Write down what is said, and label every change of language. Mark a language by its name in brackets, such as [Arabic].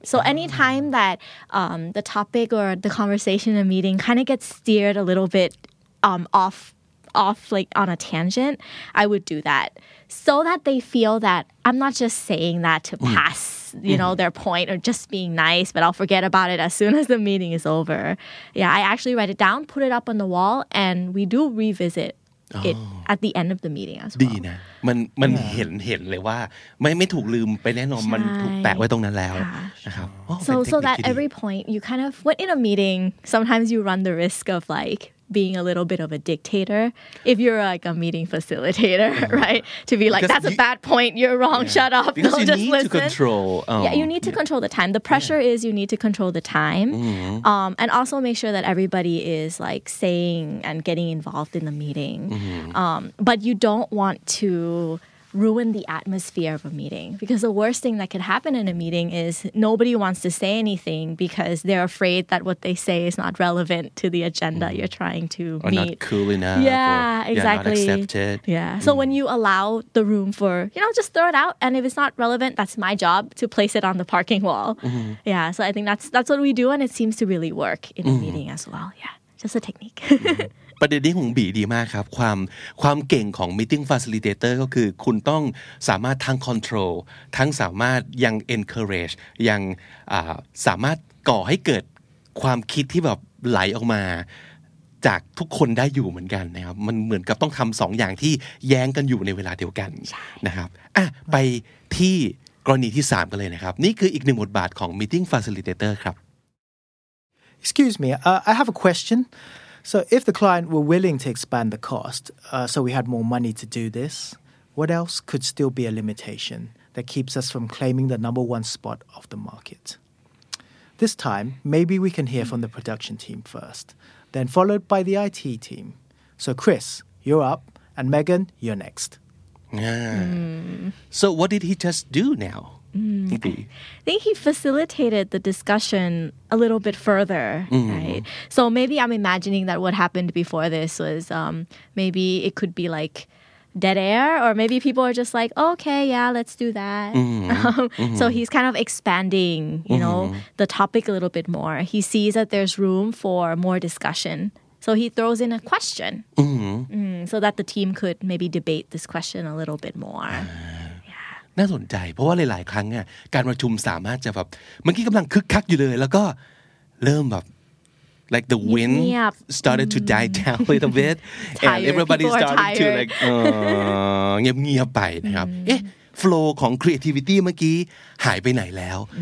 [English] So anytime that the topic or the conversation in a meeting kind of gets steered a little bit off, like, on a tangent, I would do that. So that they feel that I'm not just saying that to pass, you know, their point or just being nice, but I'll forget about it as soon as the meeting is over. Yeah, I actually write it down, put it up on the wall, and we do revisit it at the end of the meeting as well. [Thai] ดีนะมันเห็นเลยว่าไม่ถูกลืมไปแน่นอนมันถูกแปะไว้ตรงนั้นแล้วนะครับ [English] So that every point you kind of when in a meeting, sometimes you run the risk of like. Being a little bit of a dictator, if you're like a meeting facilitator, right? To be like, that's a bad point. You're wrong. Yeah. Shut up. Because They'll just listen. You need to control. You need to control the time. The pressure is you need to control the time, and also make sure that everybody is like saying and getting involved in the meeting. Mm-hmm. But you don't want to. Ruin the atmosphere of a meeting because the worst thing that could happen in a meeting is nobody wants to say anything because they're afraid that what they say is not relevant to the agenda you're trying to or meet. Or not cool enough. Yeah, exactly. Yeah, not accepted. Yeah. So when you allow the room for, you know, just throw it out and if it's not relevant, that's my job to place it on the parking wall. Mm-hmm. Yeah. So I think that's what we do and it seems to really work in a meeting as well. Yeah. Just a technique. Mm-hmm. [Thai] ประเด็นนี้ของบีดีมากครับความเก่งของ meeting facilitator ก็คือคุณต้องสามารถทั้ง control ทั้งสามารถยัง encourage ยังสามารถก่อให้เกิดความคิดที่แบบไหลออกมาจากทุกคนได้อยู่เหมือนกันนะครับมันเหมือนกับต้องทำสองอย่างที่แย้งกันอยู่ในเวลาเดียวกันนะครับอ่ะไปที่กรณีที่3กันเลยนะครับนี่คืออีกหนึ่งบทบาทของ meeting facilitator ครับ [English] excuse me, I have a question. So if the client were willing to expand the cost, so we had more money to do this, what else could still be a limitation that keeps us from claiming the number one spot of the market? This time, maybe we can hear from the production team first, then followed by the IT team. So Chris, you're up, and Megan, you're next. Yeah. So what did he just do now? I think he facilitated the discussion a little bit further, right? So maybe I'm imagining that what happened before this was maybe it could be like dead air, or maybe people are just like, okay, yeah, let's do that. So he's kind of expanding, you know, the topic a little bit more. He sees that there's room for more discussion. So he throws in a question so that the team could maybe debate this question a little bit more. [Thai] น่าสนใจเพราะว่าหลายๆครั้งอ่ะการประชุมสามารถจะแบบเมื่อกี้กำลังคึกคักอยู่เลยแล้วก็เริ่มแบบ [English] like the wind started to die down a little bit and everybody started to like [Thai] เงียบๆไปนะครับเอ๊ะ flow ของ creativity เมื่อกี้หายไปไหนแล้ว